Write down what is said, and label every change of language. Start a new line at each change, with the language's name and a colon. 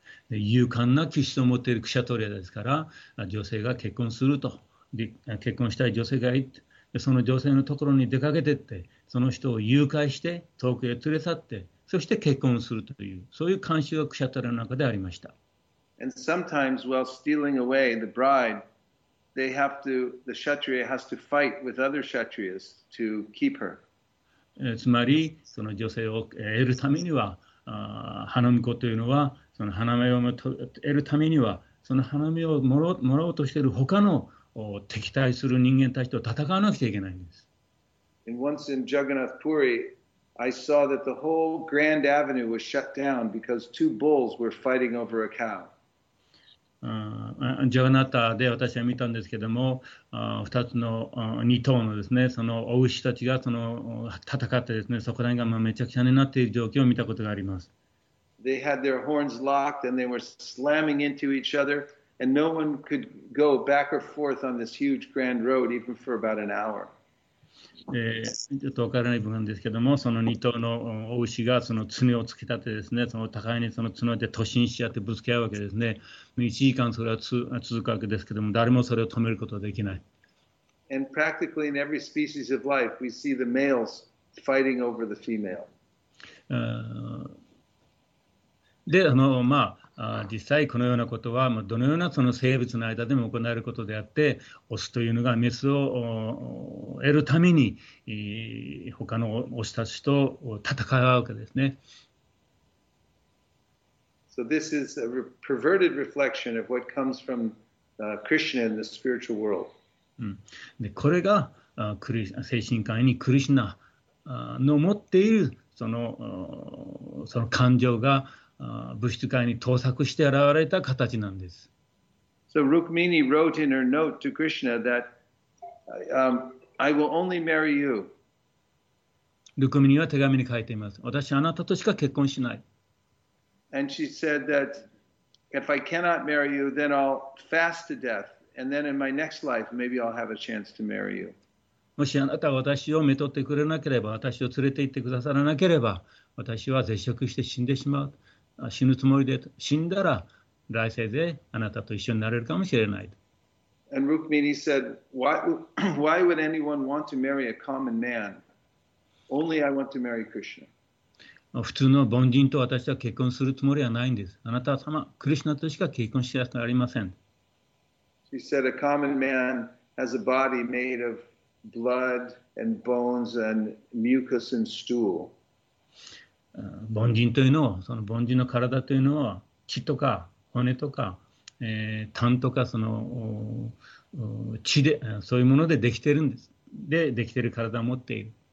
Japanese: 勇敢な気質を持っているクシャトリアですから、女性が結婚すると、結婚したい女性がいて、その女性のところに出かけてって、その人を誘拐して遠くへ連れ去って、そして結婚するという、そういう慣習がクシャトリアの中でありました。
English: And sometimes while stealing away the bride, the Kshatriya has to fight with other Kshatriyas to keep her.
Japanese: つまり、その女性を得るためには、花婿というのは、その花嫁を得るためには、その花嫁をもらおうとしている他の敵対する人間たちと戦わなくちゃいけないんです。
English: And once in Jagannath Puri, I saw that the whole Grand Avenue was shut down because two bulls were fighting over a cow.
Japanese: ジャガナタで私は見たんですけども、2つの2頭のですね、そのお牛たちがその戦ってですね、そこら辺がまあめちゃくちゃになっている状況を見たことがあります。
English: They had their horns locked and they were slamming into each other and no one could go back or forth on this huge grand road even for about an hour。
Japanese: ちょっと分からない部分ですけども、その2頭のお牛がその爪を突き立てですね、その互いにその爪で突進し合ってぶつけ合うわけですね。 1時間それは続くわけですけども、誰もそれを止めることはできない。
English: And practically in every species of life we see the males fighting over the female。
Japanese: で、まあ実際このようなことはどのようなその生物の間でも行えることであって、オスというのがメスを得るために他のオスたちと戦うわけですね。
English: So this is a perverted reflection of what comes from Krishna in the spiritual world.
Japanese: で、これが精神界にクリシナの持っているその感情が物質界に盗作して現れた形なんです。
English: So Rukmini wrote in her note to Krishna that I will only marry you。
Japanese: Rukmini は手紙に書いています。私はあなたとしか結婚しない。
English: And she said that if I cannot marry you then I'll fast to death and then in my next life maybe I'll have a chance to marry you。
Japanese: もしあなたが私をめとってくれなければ、私を連れて行ってくださらなければ、私は絶食して死んでしまう、死ぬつもりで、死んだら来世であなたと一緒になれるかもしれない。
English: And Rukmini said, why would anyone want to marry a common man? Only I want to marry Krishna.
Japanese: 普通の凡人と私は結婚するつもりはないんです。あなた様、クリシナとしか結婚しやすくありません。
English: She said, a common man has a body made of blood and bones and mucus and stool.
Japanese: 凡人というのは、その凡人の体というのは血とか骨とか、痰とかその血で、そういうものでできているんです。で、できている体を持っている。